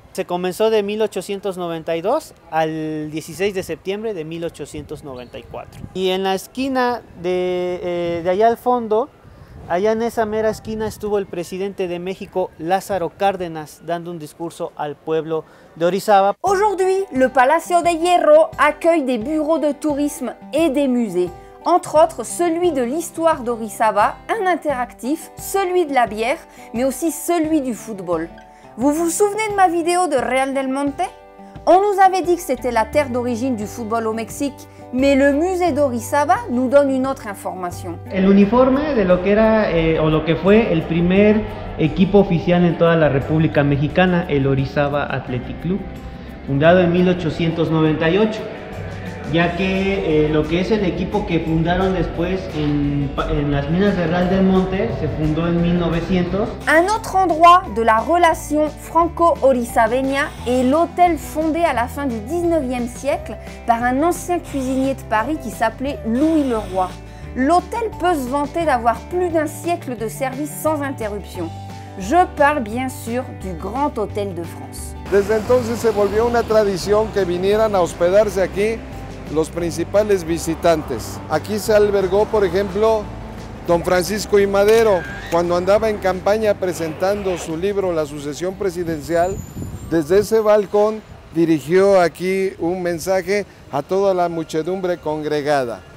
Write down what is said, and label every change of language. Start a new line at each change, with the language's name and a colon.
Spanish: Se comenzó de 1892 al 16 de septiembre de 1894. Y en la esquina de allá al fondo, allá en esa mera esquina estuvo el presidente de México, Lázaro Cárdenas, dando un discurso al pueblo de Orizaba.
French: Aujourd'hui, le Palacio de Hierro accueille des bureaux de tourisme et des musées, entre autres celui de l'histoire d'Orizaba, un interactif, celui de la bière, mais aussi celui du football. Vous vous souvenez de ma vidéo de Real del Monte? On nous avait dit que c'était la terre d'origine du football au Mexique, mais le musée d'Orizaba nous donne une autre information.
Spanish: El uniforme de lo que era o lo que fue el primer equipo oficial en toda la República Mexicana, el Orizaba Athletic Club, fundado en 1898, ya que lo que es el equipo que fundaron después en las minas de Real del Monte se fundó en 1900.
French: Un autre endroit de la relation franco-orizabeña est l'hôtel fondé à la fin du 19e siècle par un ancien cuisinier de Paris qui s'appelait Louis Leroy. L'hôtel peut se vanter d'avoir plus d'un siècle de service sans interruption. Je parle bien sûr du Grand Hôtel de France.
Spanish: Desde entonces se volvió una tradición que vinieran a hospedarse aquí los principales visitantes. Aquí se albergó, por ejemplo, don Francisco I. Madero, cuando andaba en campaña presentando su libro La Sucesión Presidencial. Desde ese balcón dirigió aquí un mensaje a toda la muchedumbre congregada.